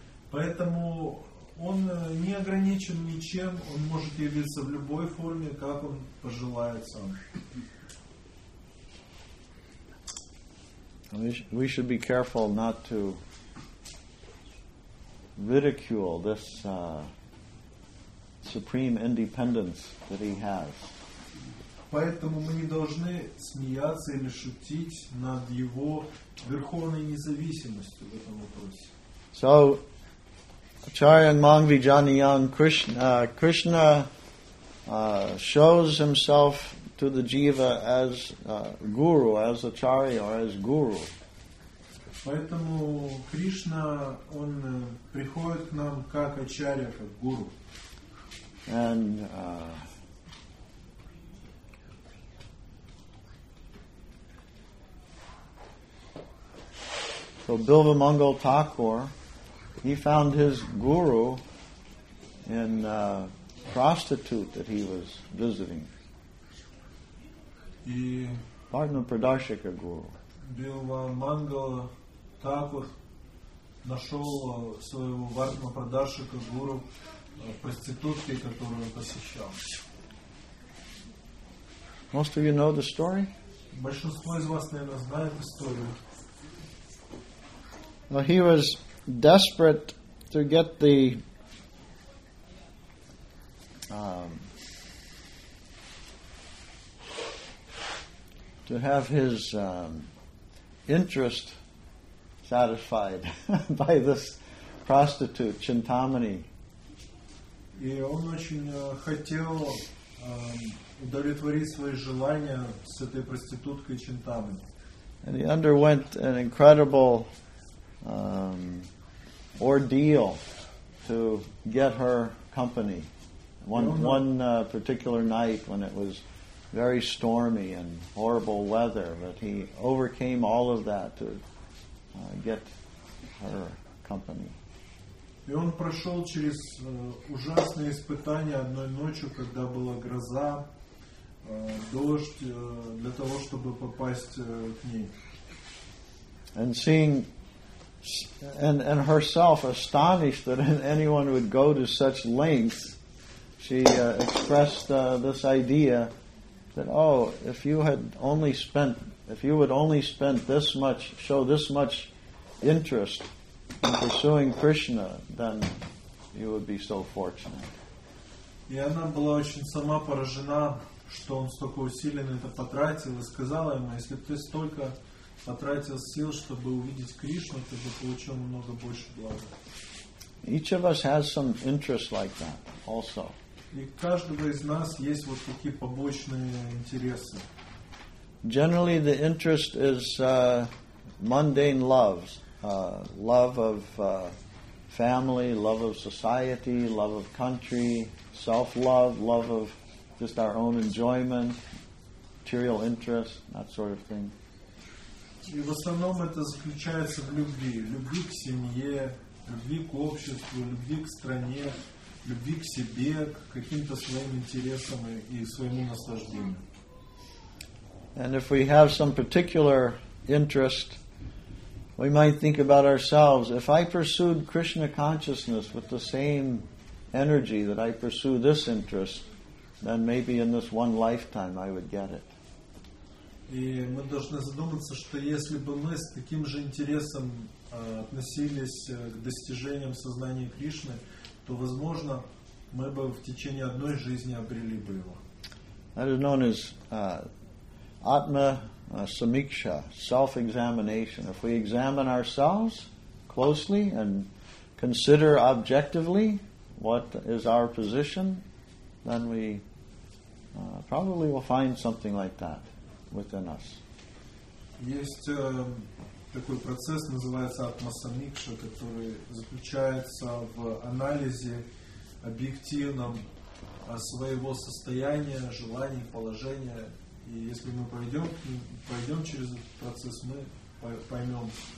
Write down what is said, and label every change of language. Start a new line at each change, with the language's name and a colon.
Russian: Поэтому он не ограничен ничем, он может явиться в любой форме, как он пожелает сам.
English: We should be careful not to ridicule this supreme independence that he has.
Russian: Поэтому мы не должны смеяться или шутить над его верховной независимостью в этом вопросе.
English: So, Acharyan Mangvi Janiyan, Krishna shows himself to the jiva as guru, as acharya, or as guru.
Russian: Поэтому Кришна, он приходит к нам как ачарья, как гуру.
English: And so Bilva Mangal Thakur, he found his guru in a prostitute that he was visiting.
Russian: И
Sanskrit: Bhagna Pradarshika guru.
Russian: Bilva Mangal Thakur нашел своего Bhagna Pradarshika guru проститутки, которую он посещал.
English: Most of you know the story?
Russian: Большинство из вас, наверное, знает историю.
English: Well, he was desperate to get the to have his interest satisfied by this prostitute Chintamani.
Russian: И он очень хотел удовлетворить свои желания с этой проституткой Чинтамани.
English: And he underwent an incredible ordeal to get her company one particular night when it was very stormy and horrible weather, but he overcame all of that to get her company.
Russian: И он прошел через ужасные испытания одной ночью, когда была гроза, дождь, для того, чтобы попасть к ней.
English: And seeing and herself astonished that anyone would go to such lengths, she expressed this idea that, oh, show this much interest in pursuing Krishna, then you would be so fortunate.
Russian: И она была очень сама поражена, что он столько усилий на это потратил, и сказала ему, если ты столько потратил сил, чтобы увидеть Кришну, ты бы получил намного больше блага.
English: Each of us has some interest like that also.
Russian: И у каждого из нас есть вот такие побочные интересы.
English: Generally the interest is mundane loves. Love of family, love of society, love of country, self-love, love of just our own enjoyment, material interest, that sort of thing.
Russian: И в основном это заключается в любви. Любви к семье, любви к обществу, любви к стране, любви к себе, к каким-то своим интересам и своему наслаждению.
English: And if we have some particular interest, we might think about ourselves, if I pursued Krishna consciousness with the same energy that I pursue this interest, then maybe in this one lifetime I would get it.
Russian: И мы должны задуматься, что если бы мы с таким же интересом относились к достижениям сознания Кришны, то, возможно, мы бы в течение одной жизни обрели бы его.
English: That is known as Atma Samiksha, self-examination. If we examine ourselves closely and consider objectively what is our position, then we probably will find something like that within us.
Russian: Есть такой процесс, называется Atma Samiksha, который заключается в анализе объективном своего состояния, желаний, положения. И если мы пойдем через этот процесс, мы поймем.